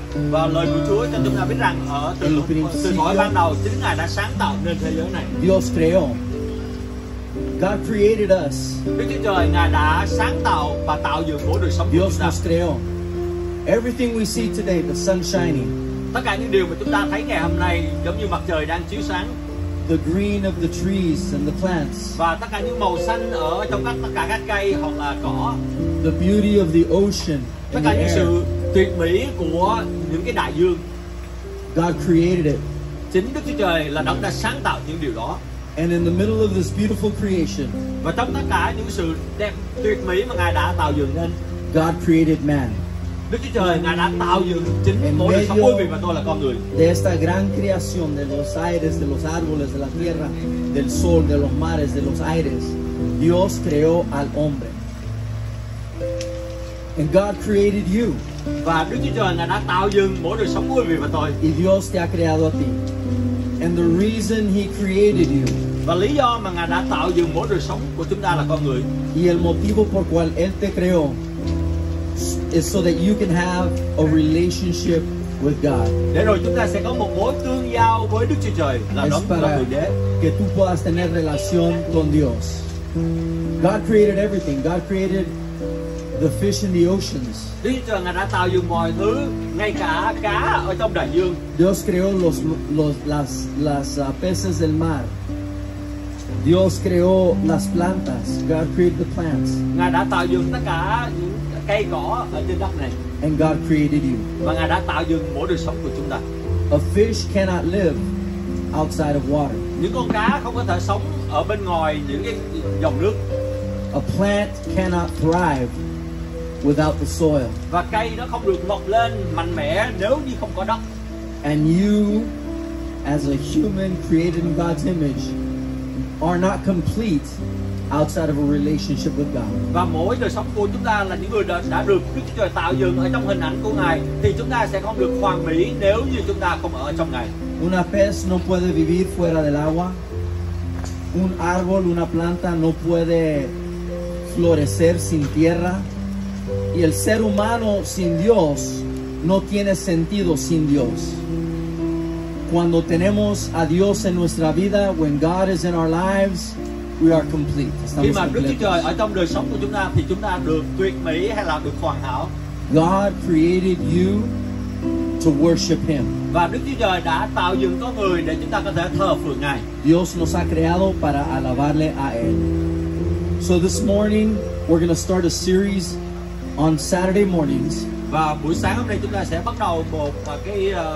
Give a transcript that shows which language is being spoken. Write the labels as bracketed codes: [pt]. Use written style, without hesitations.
[vi] Và lời của Chúa cho chúng ta biết rằng ở từ mọi ban đầu chính Ngài đã sáng tạo nên thế giới này. [es] Dios creó. [en] God created us. [vi] Đức Chúa Trời Ngài đã sáng tạo và tạo dựng mỗi đời sống [es] Dios [vi] của chúng ta. [es] Dios creó. [en] Everything we see today, the sun shining. [vi] Tất cả những điều mà chúng ta thấy ngày hôm nay giống như mặt trời đang chiếu sáng. [en] The green of the trees and the plants. [vi] Và tất cả những màu xanh ở trong tất cả các cây hoặc là cỏ. [en] The beauty of the ocean. [vi] Tất cả những sự tuyệt mỹ của những cái đại dương. [en] God created it. [vi] Chính Đức Chúa Trời là Đấng đã sáng tạo những điều đó. [en] And in the middle of this beautiful creation. [vi] Và trong tất cả những sự đẹp tuyệt mỹ mà Ngài đã tạo dựng nên. [en] God created man. [vi] Đức Chúa Trời Ngài đã tạo dựng chính mỗi đời sống của quý vị và tôi là con người. [es] De esta gran creación de los aires, de los árboles, de la tierra, del sol, de los mares, de los aires, Dios creó al hombre. [en] And God created you. [vi] Và Đức Chúa Trời Ngài đã tạo dựng mỗi đời sống của quý vị và tôi. [es] Y Dios te ha creado a ti. [en] And the reason He created you. [vi] Và lý do mà Ngài đã tạo dựng mỗi đời sống của chúng ta là con người. [es] Y el motivo por cual Él te creó. [en] Is so that you can have a relationship with God. [vi] Để rồi chúng ta sẽ có một mối tương giao với Đức Chúa Trời là Đấng là Thượng Đế. [es] Que tú puedas tener relación con Dios. [en] God created everything. God created the fish in the oceans. [vi] Đức Chúa Trời Ngài đã tạo dựng mọi thứ, ngay cả cá ở trong đại dương. [es] Dios creó las peces del mar. Dios creó las plantas. [en] God created the plants. [vi] Ngài đã tạo dựng tất cả những cây cỏ ở trên đất này. [en] And God created you. [vi] Và Ngài đã tạo dựng mỗi đời sống của chúng ta. [en] A fish cannot live outside of water. [vi] Những con cá không có thể sống ở bên ngoài những cái dòng nước. [en] A plant cannot thrive without the soil. [vi] Và cây nó không được mọc lên mạnh mẽ nếu như không có đất. [en] And you, as a human created in God's image, are not complete outside of a relationship with God. [vi] Và mỗi đời sống của chúng ta là những người đã được Đức Chúa Trời tạo dựng ở trong hình ảnh của Ngài, thì chúng ta sẽ không được hoàn mỹ nếu như chúng ta không ở trong Ngài. [es] Una pez no puede vivir fuera del agua. Un árbol, una planta no puede florecer sin tierra. Y el ser humano sin Dios no tiene sentido sin Dios. Cuando tenemos a Dios en nuestra vida, [en] when God is in our lives, we are complete. [es] Estamos [vi] Khi mà Đức Chúa Trời ở trong đời sống của chúng ta, thì chúng ta được tuyệt mỹ hay là được hoàn hảo. [en] God created you to worship Him. [vi] Và Đức Chúa Trời đã tạo dựng con người để chúng ta có thể thờ phượng Ngài. [es] Dios nos ha creado para alabarle a Él. [en] So this morning, we're going to start a series on Saturday mornings. [vi] Và buổi sáng hôm nay chúng ta sẽ bắt đầu một cái...